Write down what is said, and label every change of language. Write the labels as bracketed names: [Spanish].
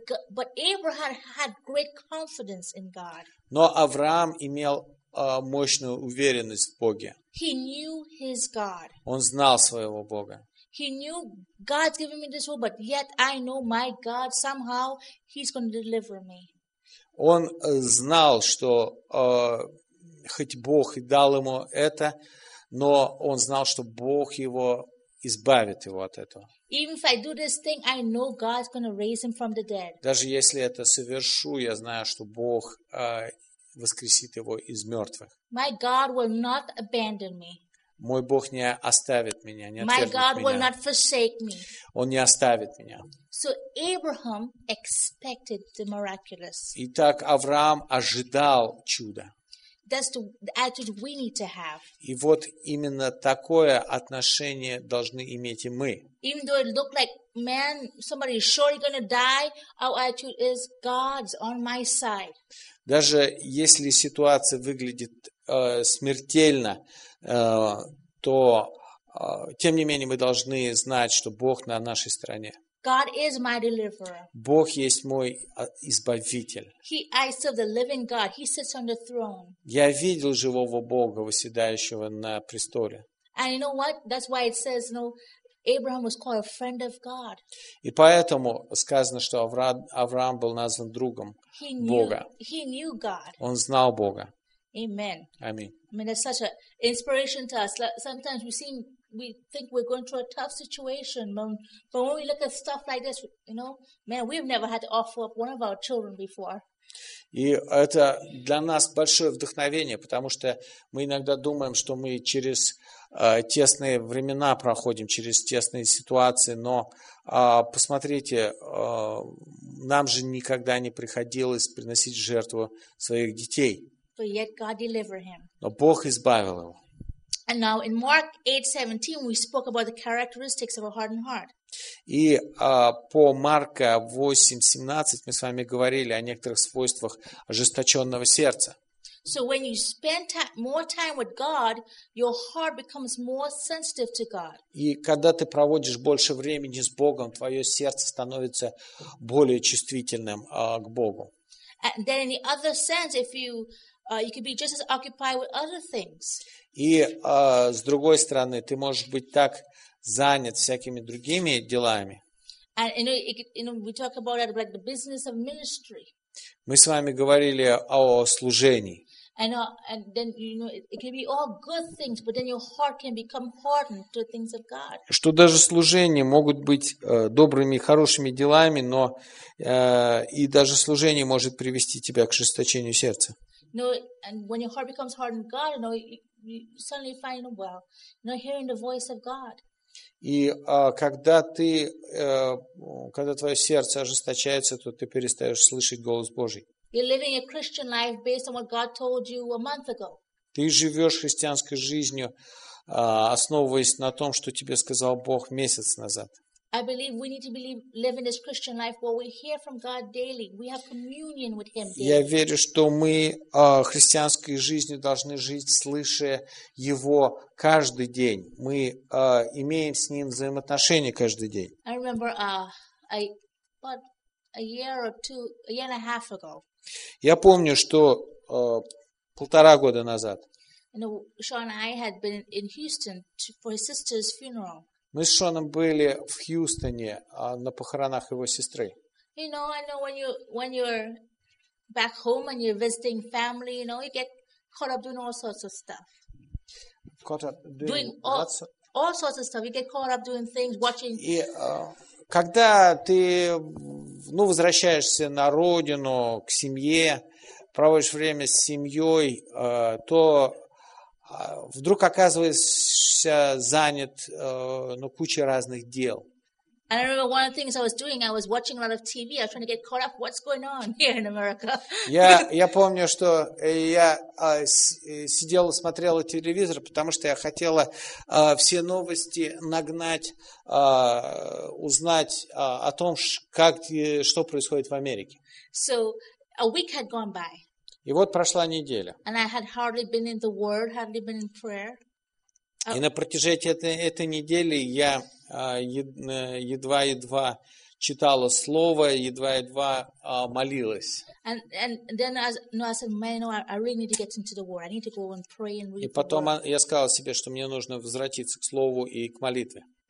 [English] But Abraham had great confidence in God. [Russian] Но Авраам имел мощную уверенность в Боге. [English] He knew his God. [Russian] Он знал своего Бога. [English] He knew God's giving me this word, but yet I know my God somehow He's going to deliver me. [Russian] Он знал, что хоть Бог и дал ему это, но он знал, что Бог его избавит его от этого. [English] Even if I do this thing, I know God's going to raise him from the dead. [Russian] Даже если это совершу, я знаю, что Бог воскресит его из мертвых. [English] My God will not abandon me. [Russian] Мой Бог не оставит меня, не отвергнет меня. [English] My God [Russian] меня. [English] Will not forsake me. [Russian] Он не оставит меня. [English] So Abraham expected the miraculous. [Russian] Итак, Авраам ожидал чуда. [English] That's the attitude we need to have. [Russian] И вот именно такое отношение должны иметь и мы. [English] Even though it looked like, man, somebody is surely going to die, our attitude is God's on my side. [Russian] Даже если ситуация выглядит смертельно, то тем не менее мы должны знать, что Бог на нашей стороне. [English] God is my deliverer. [Russian] Бог есть мой избавитель. [English] He, I serve the living God. He sits on the throne. [Russian] Я видел живого Бога, восседающего на престоле. [English] And you know what? That's why it says, you know, Abraham was called a friend of God. [Russian] И поэтому сказано, что Авраам был назван другом Бога. [English] He knew God. [Russian] Он знал Бога. [English] Amen. [Russian] Аминь. [English] I mean, it's such an inspiration to us. Sometimes we think we're going through a tough situation, but when we look at stuff like this, you know, man, we've never had to offer up one of our children before. [Russian] И это для нас большое вдохновение, потому что мы иногда думаем, что мы через тесные времена проходим, через тесные ситуации, но посмотрите, нам же никогда не приходилось приносить жертву своих детей. [English] But yet God delivered him. [Russian] Но Бог избавил его. [English] And now in Mark 8:17 we spoke about the characteristics of a hardened heart. [Russian] И по Марка 8:17 мы с вами говорили о некоторых свойствах ожесточенного сердца. [English] So when you spend more time with God, your heart becomes more sensitive to God. [Russian] И когда ты проводишь больше времени с Богом, твое сердце становится более чувствительным к Богу. [English] And then in the other sense, if you you could be just as occupied with other things. [Russian] И с другой стороны, ты можешь быть так занят всякими другими делами. [English] And you know, we talk about that, like the business of ministry. [Russian] Мы с вами говорили о служении. [English] And then it can be all good things, but then your heart can become hardened to things of God. [Russian] Что даже служение могут быть добрыми, хорошими делами, но и даже служение может привести тебя к жесточению сердца. [English] No, and when your heart becomes hardened to God, you suddenly find, well, not hearing the voice of God. [Russian] И когда твое сердце ожесточается, то ты перестаешь слышать голос Божий. [English] You're living a Christian life based on what God told you a month ago. [Russian] Ты живешь христианской жизнью, основываясь на том, что тебе сказал Бог месяц назад. [English] I believe we need to be living this Christian life where we hear from God daily. We have communion with Him daily. [Russian] Я верю, что мы христианской жизнью должны жить, слыша Его каждый день. Мы имеем с Ним взаимоотношения каждый день. [English] I remember about a year or two, a year and a half ago. [Russian] Я помню, что полтора года назад. [English] Sean and I had been in Houston for his sister's funeral. [Russian] Мы с Шоном были в Хьюстоне на похоронах его сестры. [English] You know, I know when you're back home and you're visiting family, you know, you get caught up doing all sorts of stuff. Caught up doing all sorts of stuff. You get caught up doing things, watching. [Russian] И когда ты, возвращаешься на родину, к семье, проводишь время с семьей, то вдруг оказываешься занят кучей разных дел. [English] And I remember one of the things I was doing, I was watching a lot of TV, I was trying to get caught up, what's going on here in America. [Russian] Я помню, что я сидел и смотрел телевизор, потому что я хотела все новости нагнать, узнать о том, что происходит в Америке. [English] So, a week had gone by. [Russian] И вот прошла неделя. [English] And I had hardly been in the Word, hardly been in prayer. [Russian] И на протяжении этой недели я едва-едва читала Слово, едва-едва молилась. И потом я сказала себе, что мне нужно возвратиться к Слову и к молитве.